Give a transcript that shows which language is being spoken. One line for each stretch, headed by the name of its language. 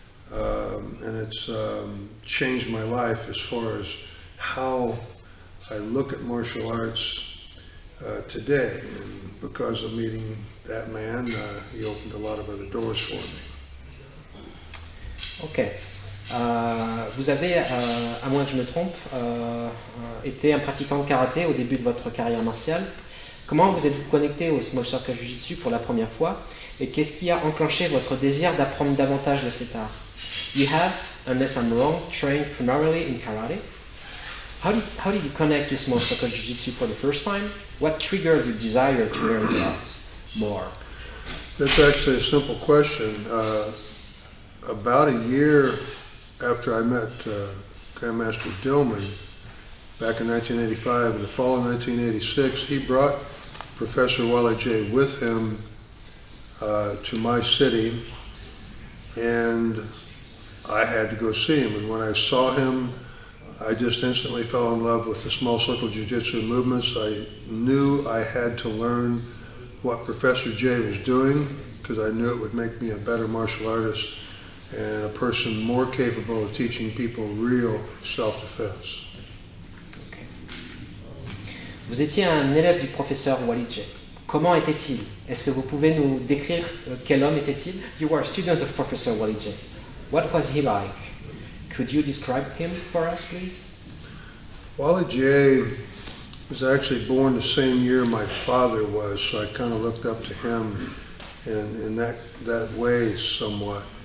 English: And it's changed my life as far as how I look at martial arts today. And because of meeting that man, he opened a lot of other doors for me. Okay.
French: Vous avez, à moins que je me trompe, été un pratiquant de karaté au début de votre carrière martiale. Comment vous êtes-vous connecté au Small Circle Jujitsu pour la première fois et qu'est-ce qui a enclenché votre désir d'apprendre davantage de cet art?
English: You have, unless I'm wrong, trained primarily in karate. How did you connect to Small Circle Jujitsu for the first time? What triggered your desire to learn the art more? That's actually a simple question. About a year after I met Grandmaster Dillman, back in 1985, in the fall of 1986, he brought Professor Wallace J. with him to my city, and I had to go see him. And when I saw him, I just instantly fell in love with the Small Circle Jiu-Jitsu movements. I knew I had to learn what Professor J. was doing, because I knew it would make me a better martial artist and a person more capable of teaching people real self-defense.
French: Vous étiez un élève du professeur Wally J. Comment était-il? Est-ce que vous pouvez nous décrire quel homme était-il?
English: You were a student of Professor Wally J. What was he like? Could you describe him for us, please? Wally J. was actually born the same year my father was, so I kind of looked up to him in that way somewhat.